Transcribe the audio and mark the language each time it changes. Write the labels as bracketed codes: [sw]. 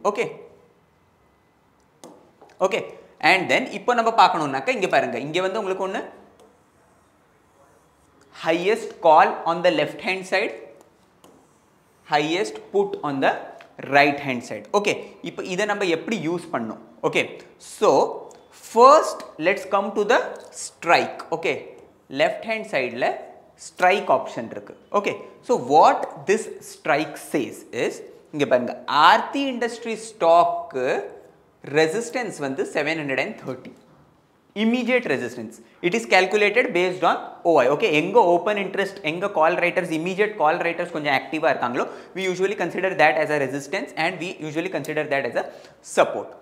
[ta] Okay, okay, and then இப்போ நம்ம பார்க்கணுன்னாக்கா இங்கே பாருங்கள் இங்கே வந்து உங்களுக்கு ஒன்று [en] highest call on the left hand side, [ta] highest put on the right hand side. Okay, இப்போ இதை நம்ம எப்படி யூஸ் பண்ணோம். [en] Okay, so first let's come to the strike. [ta] Okay, left hand side ல strike option இருக்கு. [en] Okay, so what this strike says is, [ta] இங்கே பாருங்க Aarthi industry stock resistance வந்து 730, immediate resistance, [en] It is calculated based on OI. [ta] Okay, எங்கே open interest, எங்கே கால் writers, immediate கால் writers கொஞ்சம் ஆக்டிவாக இருக்காங்களோ, [en] We usually consider that as a resistance and we usually consider that as a support.